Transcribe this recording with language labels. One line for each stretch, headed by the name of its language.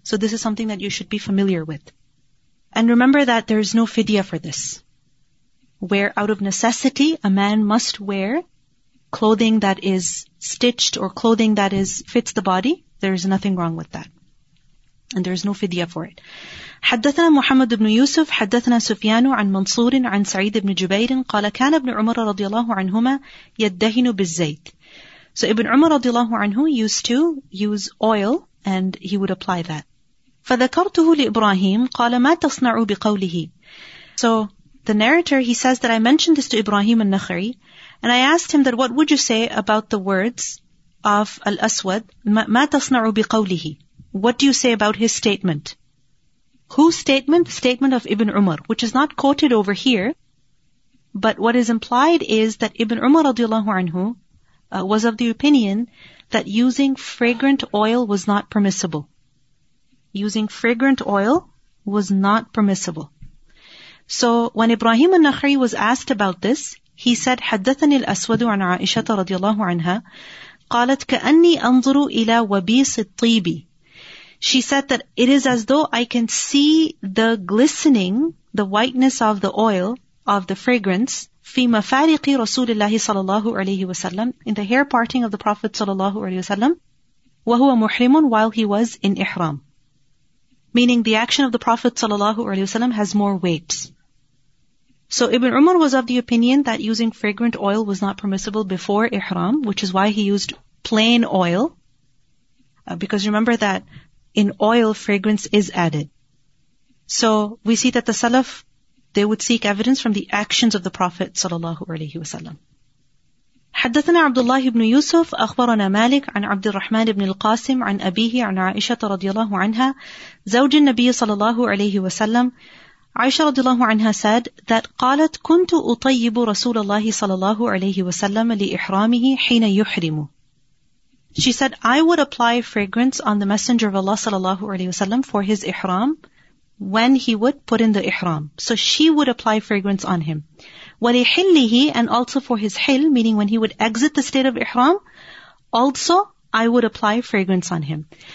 English: So this is something that you should be familiar with. And remember that there is no fidya for this. Where out of necessity, a man must wear clothing that is stitched or clothing that is fits the body, there is nothing wrong with that. And there is no fidya for it.
Arabic: حدثنا محمد بن يوسف حدثنا سفيان عن منصور عن سعيد بن جبير قال كان ابن عمر رضي الله عنهما يدهن بالزيت.
English: So Ibn Umar radiallahu anhu used to use oil and he would apply that.
Arabic: فَذَكَرْتُهُ لِإِبْرَاهِيمُ قَالَ مَا تَصْنَعُ بِقَوْلِهِ
English: So the narrator, he says that I mentioned this to Ibrahim al-Nakhri and I asked him that what would you say about the words of Al-Aswad?
Arabic: مَا تَصْنَعُ بِقَوْلِهِ
English: What do you say about his statement? Whose statement? Statement of Ibn Umar, which is not quoted over here. But what is implied is that Ibn Umar radiallahu anhu was of the opinion that using fragrant oil was not permissible. Using fragrant oil was not permissible. So when Ibrahim al-Nakhri was asked about this, he said,
Arabic: حدثني الأسود عن عائشة رضي الله عنها قالت كأني أنظر إلى وبيس الطيب.
English: She said that it is as though I can see the glistening, the whiteness of the oil, of the fragrance,
Arabic: في مفارق رسول الله صلى الله عليه وسلم,
English: in the hair parting of the Prophet صلى الله عليه وسلم,
Arabic: وهو محرم,
English: while he was in إحرام. Meaning the action of the Prophet صلى الله عليه وسلم has more weight. So Ibn Umar was of the opinion that using fragrant oil was not permissible before إحرام, which is why he used plain oil. Because remember that in oil, fragrance is added. So we see that the Salaf, they would seek evidence from the actions of the Prophet sallallahu alaihi wasallam.
Arabic: حدثنا عبد الله بن يوسف أخبرنا مالك عن عبد الرحمن بن القاسم عن أبيه عن عائشة رضي الله عنها زوج النبي صلى الله عليه وسلم عائشة رضي الله عنها
English: said that
Arabic: قالت كنت أطيب رسول الله صلى الله عليه وسلم لإحرامه حين يحرم.
English: She said, I would apply fragrance on the Messenger of Allah sallallahu alaihi wasallam for his ihram when he would put in the ihram. So she would apply fragrance on him.
Arabic: وَلِحِلِّهِ
English: And also for his hil, meaning when he would exit the state of ihram, also I would apply fragrance on him.